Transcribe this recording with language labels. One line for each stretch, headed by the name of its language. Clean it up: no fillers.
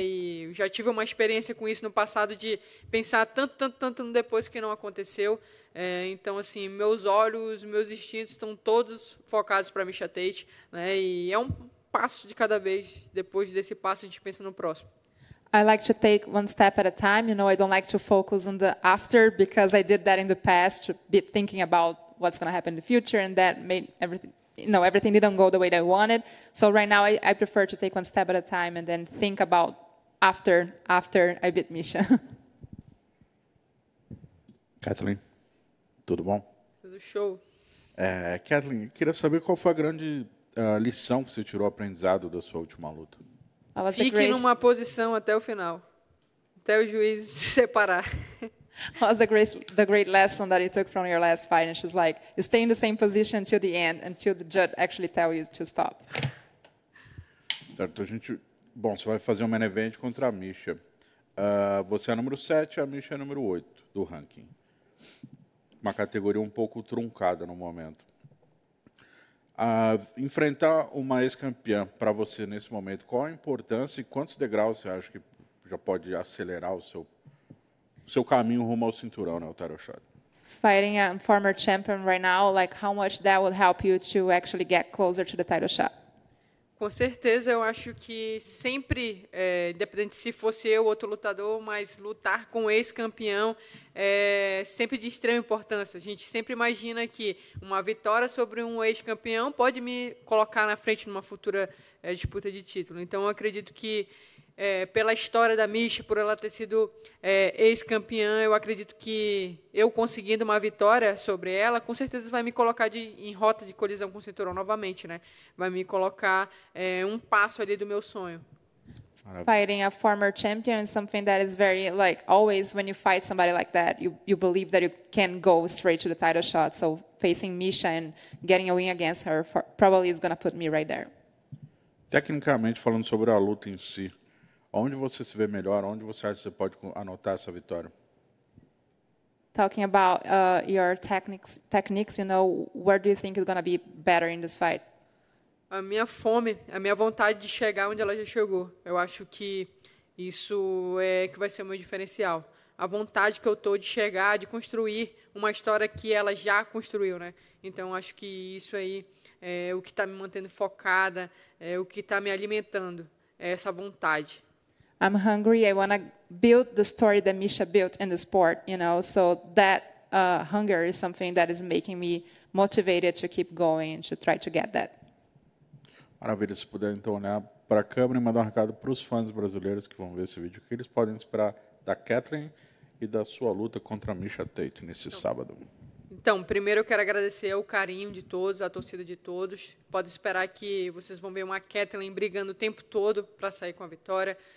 Portuguese: E eu já tive uma experiência com isso no passado de pensar tanto no depois que não aconteceu. Então, assim, meus olhos, meus instintos estão todos focados para Misha Tate, né? E é um passo de cada vez. Depois desse passo, a gente pensa no próximo.
English: I like to take one step at a time. You know, I don't like to focus on the after because I did that in the past, be thinking about what's going to happen in the future, and that made everything. You know, everything didn't go the way that I wanted. So right now, I prefer to take one step at a time and then think about after I beat Misha.
Portuguese: Kathleen, tudo bom? Tudo show. Kathleen, queria saber qual foi a grande lição que você tirou, aprendizado da sua última luta. Fique numa posição até o final, até o juiz se separar.
English: What was the great lesson that you took from your last fight? And she's like, you stay in the same position until the end, until the judge actually tells you to stop.
Portuguese: Certo, bom, você vai fazer um main event contra a Misha. Você é número 7, a Misha é número 8 do ranking. Uma categoria um pouco truncada no momento. Enfrentar uma ex-campeã para você nesse momento, qual a importância e quantos degraus você acha que já pode acelerar o seu caminho rumo ao cinturão, né, o title shot.
English: Fighting a former champion right now, like how much that would help you to actually get closer to the title shot?
Portuguese: Com certeza, eu acho que sempre, independente se fosse eu ou outro lutador, mas lutar com um ex-campeão é sempre de extrema importância. A gente sempre imagina que uma vitória sobre um ex-campeão pode me colocar na frente numa futura disputa de título. Então, eu acredito que pela história da Misha, por ela ter sido ex-campeã, eu acredito que eu conseguindo uma vitória sobre ela, com certeza vai me colocar em rota de colisão com o cinturão novamente, né? Vai me colocar um passo ali do meu sonho.
English: Fighting a former champion is something that is very, like, always when you fight somebody like that, you believe that you can go straight to the title shot. So facing Misha and getting a win against her probably is going to put me right there.
Portuguese: Tecnicamente, falando sobre a luta em si, onde você se vê melhor? Onde você acha que você pode anotar essa vitória?
English: Talking about your techniques, you know, where do you think is going to be better in this fight?
Portuguese: A minha fome, a minha vontade de chegar onde ela já chegou. Eu acho que isso é que vai ser o meu diferencial. A vontade que eu tô de chegar, de construir uma história que ela já construiu, né? Então, acho que isso aí é o que está me mantendo focada, é o que está me alimentando, é essa vontade.
English: I'm hungry. I want to build the story that Misha built in the sport, you know. So that hunger is something that is making me motivated to keep going and to try to get that.
Portuguese: Maravilha. Se puder, então, olhar para a câmera e mandar um recado para os fãs brasileiros que vão ver esse vídeo, que eles podem esperar da Kathleen e da sua luta contra a Misha Tate nesse sábado. Então, primeiro eu quero agradecer o carinho de todos, a torcida de todos. Pode esperar que vocês vão ver uma Kathleen brigando o tempo todo para sair com a vitória.